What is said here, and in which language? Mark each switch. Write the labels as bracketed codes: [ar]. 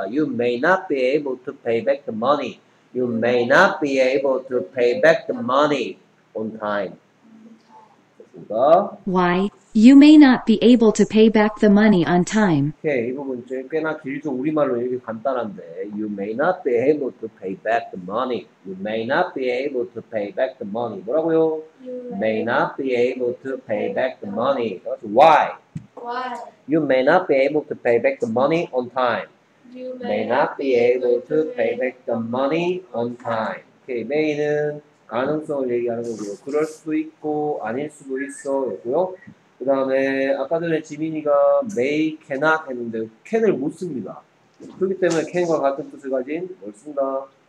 [en] you may not be able to pay back the money, you may not be able to pay back the money on time. [ko] 됐습니다. [en] Why you may not be able to pay back the money on time? [ko] 오케이, 이 부분 꽤나 길죠. 우리말로 이렇게 간단한데. [en] You may not be able to pay back the money. You may not be able to pay back the money. [ko] 뭐라고요? [en] You May not be able to pay may back the money. not That's why. Why? You may not be able to pay back the money on time. You May not be be able able to to pay pay back the money on time. [ko] 오케이, may는 가능성을 얘기하는 거고요. 그럴 수도 있고 아닐 수도 있어 였고요. 그 다음에 아까 전에 지민이가 may, cannot 했는데 can을 못 씁니다. 그렇기 때문에 can과 같은 뜻을 가진 뭘 쓴다?